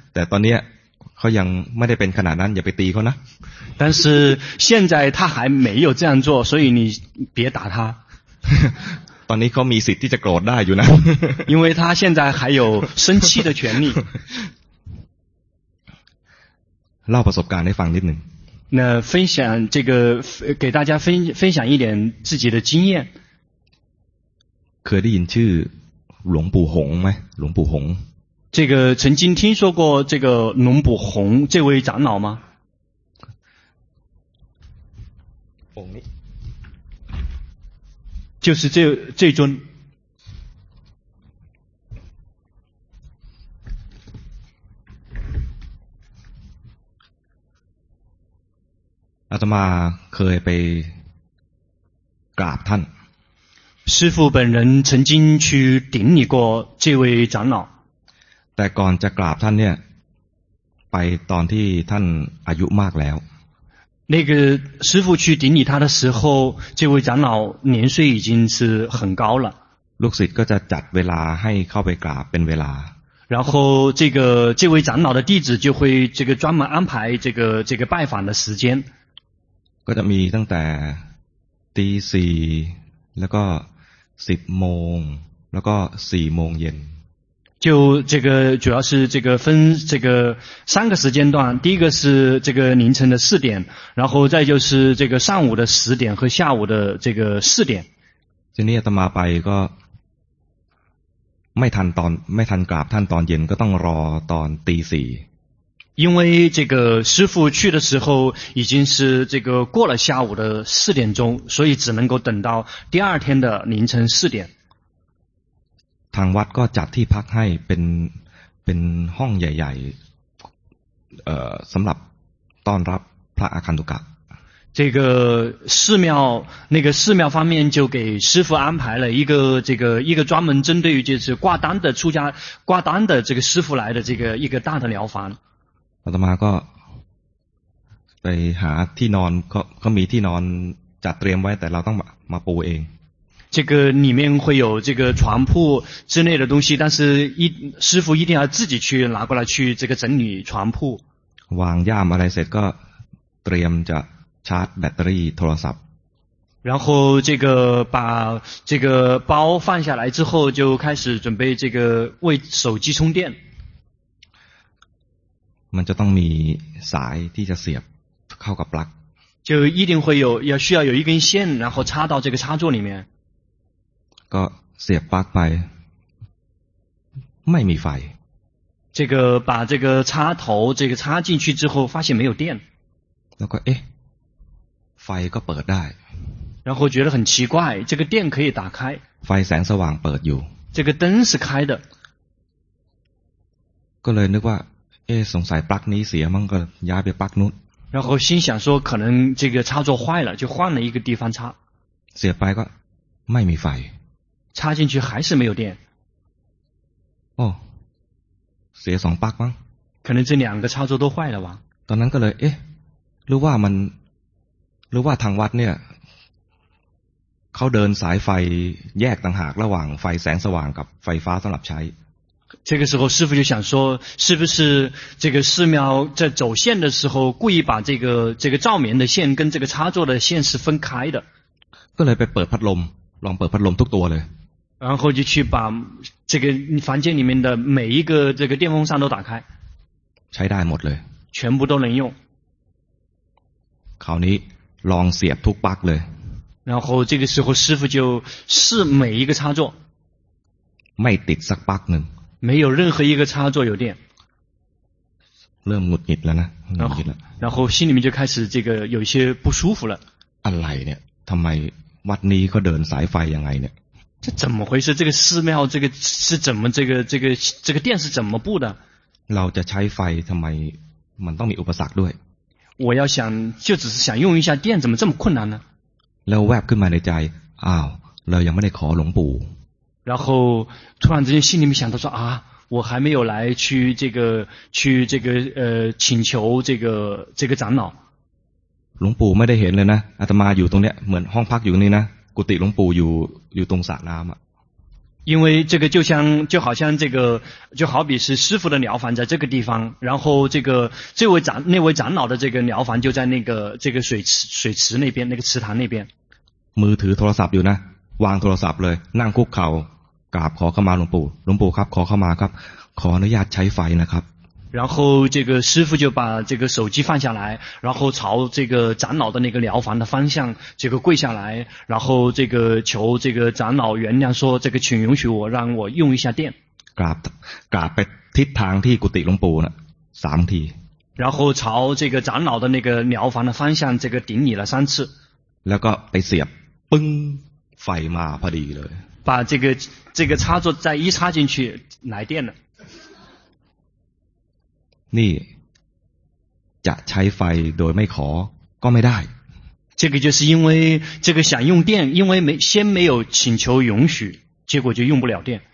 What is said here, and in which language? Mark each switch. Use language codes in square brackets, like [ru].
[th] แต่ตอนนี้เขายังไม่ได้เป็นขนาดนั้นอย่าไปตีเขานะ [zh] 但是现在他还没有这样做所以你别打他 [th] ตอนนี้เขามีสิทธิ์ที่จะโกรธได้อยู่นะ [zh] 因为他现在还有生气的权利 [th] เล่าประสบการณ์ให้ฟังนิดนึง [zh] 那分享这个给大家分享一点自己的经验 [th] เคยได้ยินชื่อหลวงปู่หงไหมหลวงปู่หง [zh] 这个曾经听说过这个龙补红这位长老吗就是这尊 [th] อาตมาเคยไปกราบท่าน [zh] 师父本人曾经去顶礼过这位长老 [th] แต่ก่อนจะกราบท่านเนี่ยไปตอนที่ท่านอายุมากแล้ว [zh] 那个师父去顶礼他的时候这位长老年岁已经是很高了 [th] ลูกศิษย์ก็จะจัดเวลาให้เข้าไปกราบเป็นเวลา [zh] 然后这位长老的弟子就会这个专门安排这个拜访的时间 [th] ก็จะมีตั้งแต่ตีสี่แล้วก็สิบโมงแล้วก็สี่โมงเย็น [zh] 就这个主要是这个分这个三个时间段第一个是这个凌晨的四点然后再就是这个上午的十点和下午的这个四点 [th] ทีนี้อาตมาไปก็ไม่ทันกราบท่านตอนเย็นก็ต้องรอตอนตีสี่ [zh] 因为这个师父去的时候已经是这个过了下午的四点钟所以只能够等到第二天的凌晨四点 [th] ทางวัดก็จัดที่พักให้เป็นห้องใหญ่ๆสำหรับต้อนรับพระอาคันตุกะ [zh] 这个寺庙那个寺庙方面就给师父安排了一个专门针对于就是挂单的出家挂单的这个师父来的这个一个大的疗房 [th] อาตมาก็ไปหาที่นอนก็มีที่นอนจัดเตรียมไว้แต่เราต้องมาปูเอง [zh] 这个里面会有这个床铺之类的东西但是师父一定要自己去拿过来去这个整理床铺 [th] วางย่ามอะไรเสร็จก็เตรียมจะชาร์จแบตเตอรี่โทรศัพท์ [zh] 然后这个把这个包放下来之后，就开始准备这个为手机充电。 [th] มันจะต้องมีสายที่จะเสียบเข้ากับปลั๊ก [zh] 就一定会有要需要有一根线，然后插到这个插座里面。 [th] ก็เสียบปลั๊กไปไม่มีไฟ [zh] 这个把这个插头这个插进去之后，发现没有电。 [th] แล้วก็เอ๊ะไฟก็เปิดได้ [zh] 然后觉得很奇怪，这个电可以打开。 [th] ไฟแสงสว่างเปิดอยู่ [zh] 这个灯是开的。 [th] ก็เลยนึกว่าเอ๊ะสงสัยปลั๊กนี้เสียมั้งก็ย้ายไปปลั๊กนู้น [zh] 然后心想说可能这个插座坏了，就换了一个地方插。 [th] เสียไปก็ไม่มีไฟ [zh] 插进去还是没有电。 [th] 哦。เสียสองปลั๊กมั้ง [zh] 可能这两个插座都坏了吧 [th] ตอนนั้นก็เลยเอ๊ะรู้ว่ามันรู้ว่าทางวัดเนี่ยเขาเดินสายไฟแยกต่างหากระหว่างไฟแสงสว่างกับไฟฟ้าสำหรับใช้ [zh] 这个时候师父就想说是不是这个寺庙在走线的时候故意把这个照明的线跟这个插座的线是分开的 [th] ก็เลยไปเปิดพัดลมลองเปิดพัดลมทุกตัวเลย [zh] 然后就去把这个房间里面的每一个这个电风扇都打开 [th] ใช้ได้หมดเลย [zh] 全部都能用 [th] คราวนี้ลองเสียบทุกปลั๊กเลย [zh] 然后这个时候师父就试每一个插座 [th] ไม่ติดสักปลั๊กหนึ่ง [zh] 没有任何一个插座有电 [th] เริ่มหงุดหงิดแล้วนะหงุดหงิดแล้ [zh] ว然后心里面就开始这个有一些不舒服了 [th] อะไรเนี่ยทำไมวัดนี้เขาเดินสายไฟยังไงเนี่ย [zh] 这怎么回事这个寺庙这个是怎么这个电是怎么布的 [th] เราจะใช้ไฟทำไมมันต้องมีอุปสรรคด้วย [zh] 我要想就只是想用一下电怎么这么困难呢 [th] แล้วแวบขึ้นมาในใจอ้าวเรายังไม่ได้ขอหลวงปู่ [zh] 然后突然之间心里面想到说啊我还没有来去这个请求这个长老 [th] หลวงปู่ไม่ได้เห็นเลยนะอาตมาอยู่ตรงเนี้ยเหมือนห้องพักอยู่นี่นะกุฏิหลวงปู่อยู่ตรงสระน้ำอ่ะ [zh] 因为这个就好像这个就好比是师父的寮房在这个地方，然后那位长老的这个寮房就在那个这个水池那边那个池塘那边。 [th] มือถือโทรศัพท์อยู่นะวางโทรศัพท์เลยนั่งคุกเข่ากราบขอเข้ามาหลวงปู่ครับขอเข้ามาครับขออนุญาตใช้ไฟนะครับ [zh] 然后这个师父就把这个手机放下来，然后朝这个长老的那个疗房的方向这个跪下来，然后这个求这个长老原谅说，这个请允许我让我用一下电。 [th] กราบไปทิศทางที่กุฏิหลวงปู่นะสามที。 [zh] 然后朝这个长老的那个疗房的方向这个顶礼了三次。 [th] แล้วก็ไปเสียบปึ้งไฟมาพอดีเลย。 [zh] 把这个插座再一插进去，来电了。 [th] นี่จะใช้ไฟโดยไม่ขอก็ไม่ได้ [zh] 这个就是因为这个想用电因为先没有请求允许结果就用不了电